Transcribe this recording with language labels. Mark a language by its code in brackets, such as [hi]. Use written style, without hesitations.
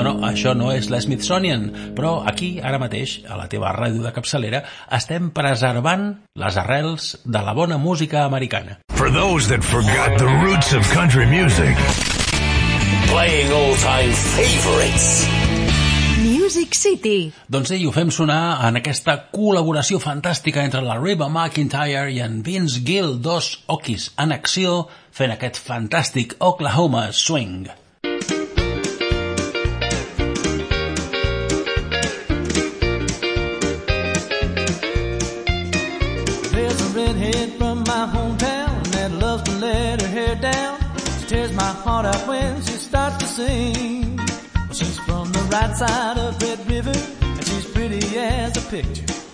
[ca] Això no és l'Smithsonian, però aquí, ara mateix, a la teva ràdio de capçalera, estem preservant les arrels de la bona música americana. [en] For those that forgot the roots of country music. Playing all-time favorites. Music City. [ca] Doncs sí, ho fem sonar en aquesta col·laboració fantàstica entre la Reba McEntire i en Vince Gill, dos Okies en acció, fent aquest fantàstic Oklahoma Swing. [en] There's a redhead from my hometown that loves to let her hair down. She tears my heart out when she starts to sing. Right side of Red River, and she's pretty as a picture.